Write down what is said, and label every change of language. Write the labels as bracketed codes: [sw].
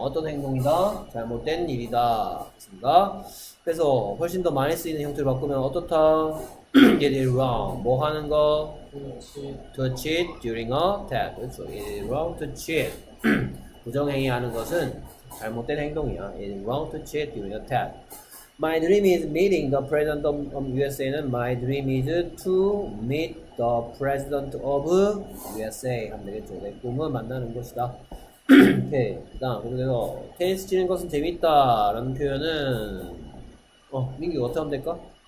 [ko] 어떤 행동이다? 잘못된 일이다. 맞습니다. 그래서 훨씬 더 많이 쓰이는 형태로 바꾸면 어떻다? [en] It is wrong. [ko] 뭐 하는 거? [en] To cheat during a test. [ko] 그렇죠. [en] It is wrong to cheat. [ko] 부정행위 하는 것은 잘못된 행동이야. [en] It is wrong to cheat during a test. My dream is meeting the president of USA는 My dream is to meet the president of USA [ko] 하면 되겠죠. 내 꿈은 만나는 것이다. 오케이. 그다음 그래서 테니스 치는 것은 재밌다라는 표현은 민규 어떻게 하면 될까?